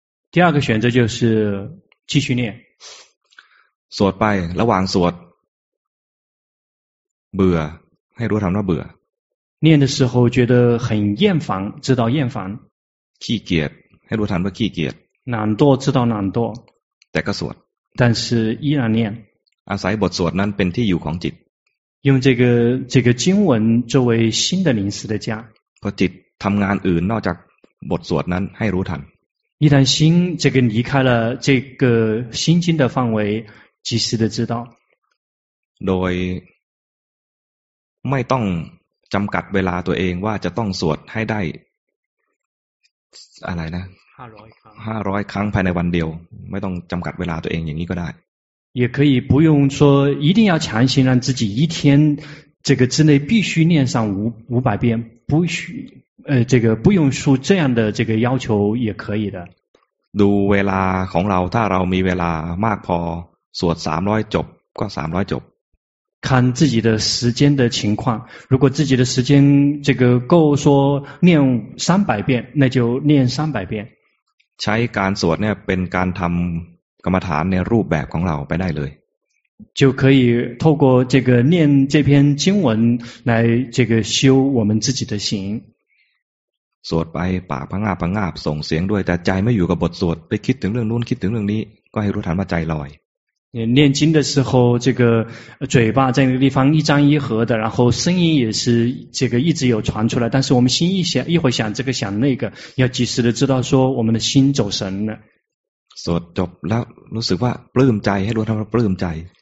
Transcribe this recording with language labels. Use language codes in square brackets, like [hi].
[zh] 第二个选择就是继续念 [th] สวดไประหว่างสวดเบื่อให้รู้ทันว่าเบื่อ [zh] 念的时候觉得很厌烦知道厌烦 [th] ขี้เกียจให้รู้ทันว่าขี้เกียจ [zh] 懒惰知道懒惰 [th] แต่ก็สวด [zh] 但是依然念 [th] อาศัยบทสวดนั้นเป็นที่อยู่ของจิต [zh] 用这个经文作为新的临时的家 [th] พอจิตทำงานอื่นนอกจากบทสวดนั้นให้รู้ทัน [zh] 一旦心这个离开了这个心经的范围及时的知道 [th] โดยไม่ต้องจำกัดเวลาตัวเองว่าจะต้องสวดให้ได้อะไรนะ 500 ครั้งภายในวันเดียวไม่ต้องจำกัดเวลาตัวเองอย่างนี้ก็ได้ [zh] 也可以不用说一定要强行让自己一天这个之内必须念上500遍不需这个不用说这样的这个要求也可以的 [th] ดูเวลาของเราถ้าเรามีเวลามากพอสวด300จบก็300จบ [zh] 看自己的时间的情况，如果自己的时间这个够说念三百遍，那就念三百遍。 [th] ใช้การสวดเนี่ยเป็นการทำกรรมฐานในรูปแบบของเราไปได้เลย。 [zh] 就可以透过这个念这篇经文来这个修我们自己的行。 [th] สวดไปปากพงาบพงาบส่งเสียงด้วยแต่ใจไม่อยู่กับบทสวดไปคิดถึงเรื่องนู้นคิดถึงเรื่องนี้ก็ให้รู้ทันว่าใจลอย。 [zh] 念经的时候这个嘴巴在那个地方一张一合的然后声音也是这个一直有传出来但是我们心一会想这个想那个要及时的知道说我们的心走神了所以就那如此话不用在还是不用在